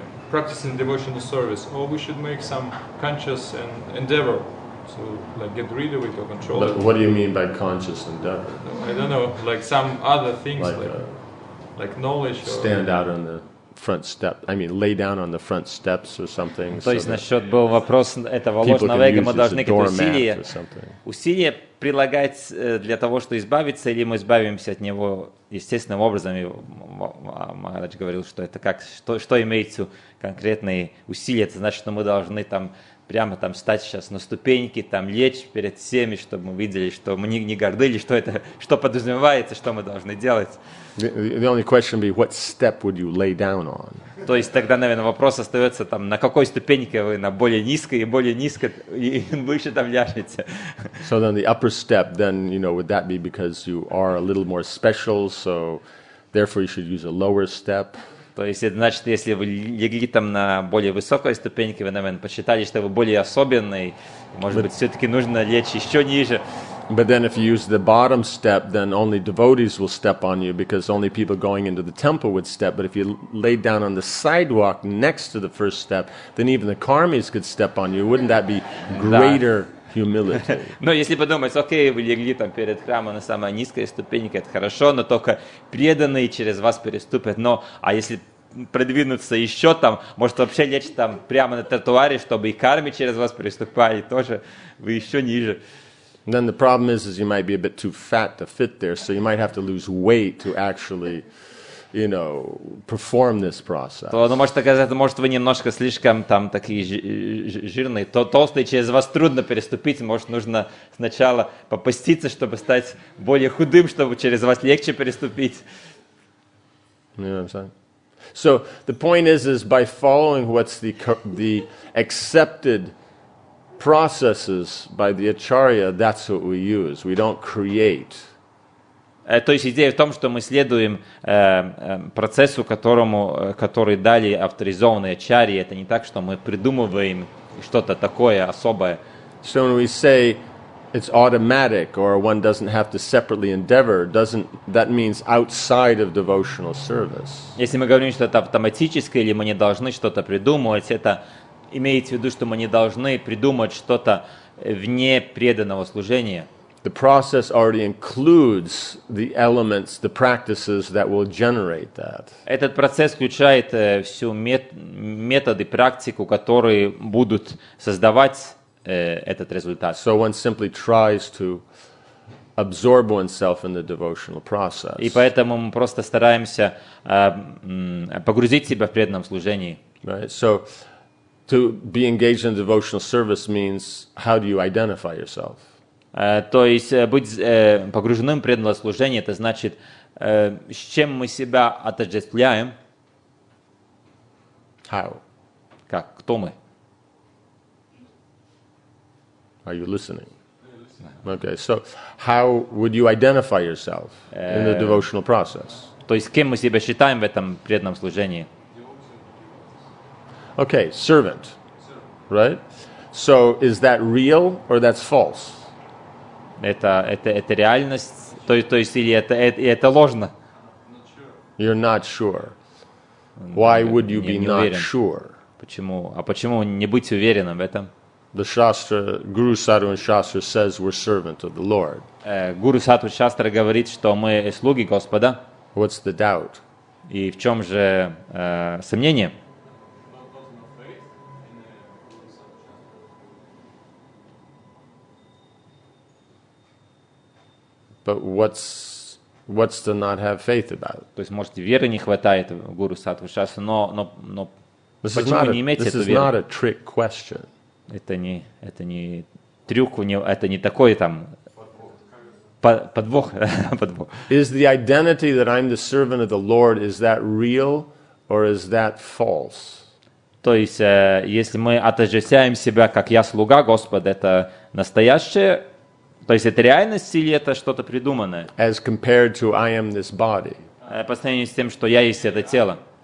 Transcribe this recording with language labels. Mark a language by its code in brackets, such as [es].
[en] Practicing devotional service, or we should make some conscious and endeavor to like get rid of it or control it. What do you mean by conscious endeavor? I don't know, like some other things, like knowledge. Stand or, out on the front step. I mean, lay down on the front steps or something. [ru] То есть насчет был вопрос этого ложного эго, мы должны какие-то усилия прилагать для того, чтобы избавиться, или мы избавимся от него естественным образом. Махарадж говорил, что это как что имеется конкретные усилия. Это значит, что мы должны там прямо там встать сейчас на ступеньки, там лечь перед всеми, чтобы мы видели, что мы не гордились, что это, что подразумевается, что мы должны делать. [en] The only question would be, what step would you lay down on? [ru] То есть тогда, наверное, вопрос остается там, на какой ступеньке вы, на более низко и выше там ляжете. [en] So then the upper step, then, you know, would that be because you are a little more special, so therefore you should use a lower step? [ru] То есть, это значит, если вы легли там на более высокой ступеньке, вы, наверное, посчитали, что вы более особенный, может быть, все-таки нужно лечь еще ниже. [en] But then if you use the bottom step, then only devotees will step on you, because only people going into the temple would step. But if you lay down on the sidewalk next to the first step, then even the karmis could step on you. Wouldn't that be greater humility? [ru] Но если подумать, окей, вы легли там перед храмом на самой низкой ступеньке, это хорошо, но только преданные через вас переступят. Но, а если продвинуться еще там, может вообще лечь там прямо на тротуаре, чтобы и карми через вас переступали, тоже вы еще ниже. [en] Then the problem is you might be a bit too fat to fit there, so you might have to lose weight to actually, you know, perform this process. [ru] То, ну, может оказаться, может вы немножко слишком там такие жирные, то толстые, через вас трудно переступить, может нужно сначала попоститься, чтобы стать более худым, чтобы через вас легче переступить. [en] You know what I'm saying? So the point is by following what's the accepted processes by the acharya, that's what we use. We don't create. [ru] То есть идея в том, что мы следуем процессу, который дали авторизованные ачарьи. Это не так, что мы придумываем что-то такое особое. [en] So when we say it's automatic or one doesn't have to separately endeavor, doesn't that means outside of devotional service? [ru] Если мы говорим, что это автоматическое или мы не должны что-то придумывать, это имеется в виду, что мы не должны придумать что-то вне преданного служения. [en] The process already includes the elements, the practices that will generate that. [ru] Этот процесс включает всю методы, практику, которые будут создавать этот результат. [en] So one simply tries to absorb oneself in the devotional process. [ru] И поэтому мы просто стараемся погрузить себя в преданном служении. [en] Right. So to be engaged in devotional service means how do you identify yourself? [ru] То есть быть погруженным в преданное служение, это значит, с чем мы себя отождествляем? [en] How? [ru] Как? Кто мы? [en] Are you listening? Okay, so how would you identify yourself in the devotional process? [ru] То есть, кем мы себя считаем в этом преданном служении? [en] Okay, servant, right? So, is that real or that's false? [ru] Это реальность? То есть, или это ложно? [en] You're not sure. Why would you be not sure? [ru] Почему? А почему не быть уверенным в этом? [en] The Shastra, Guru Sattva and Shastra says we're servant of the Lord. [ru] Guru Sattva Shastra говорит, что мы слуги Господа. [en] What's the doubt? [ru] И в чем же сомнение? [en] But what's to not have faith about? [ru] То есть, может, веры не хватает в Guru Sattva Shastra, но почему не иметь эту веру? [en] This is not a trick question. [ru] Это не трюк, это не такой там подвох. [en] Is the identity that I'm the servant of the Lord, is that real or is that false? [ru] То есть, если мы отождествляем себя как я слуга Господа, это настоящее, то есть это реальность или это что-то придуманное? [en] As compared to I am this body. [ru] По сравнению с тем, что я есть это тело.